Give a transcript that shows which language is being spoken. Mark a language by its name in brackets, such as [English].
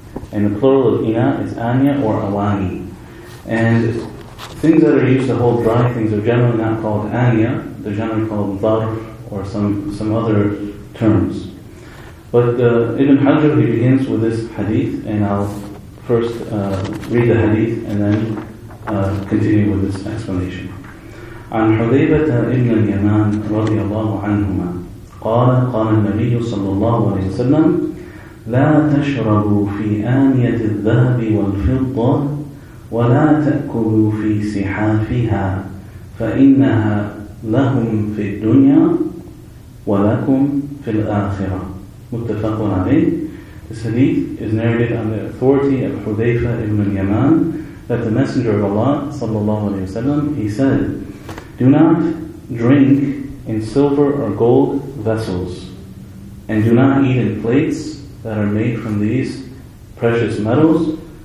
[English] And the plural of ina is aniya or awani. And things that are used to hold dry things are generally not called aniya, they're generally called dharf or some other terms. But Ibn Hajar, he begins with this hadith, and I'll first read the hadith and then continue with this explanation. [Arabic] عن حذيفة ابن اليمان رضي الله عنهما قال قال النبي صلى الله عليه وسلم لا تشربوا في آنية الذهب والفضة ولا تأكلوا في سحافها فإنها لهم في الدنيا ولكم في الآخرة. متفق عليه. [English] This hadith is narrated on the authority of Hudayfa ibn Yaman that the Messenger of Allah sallallahu alayhi wa sallam, he said, do not drink in silver or gold vessels, and do not eat in plates that are made from these precious metals.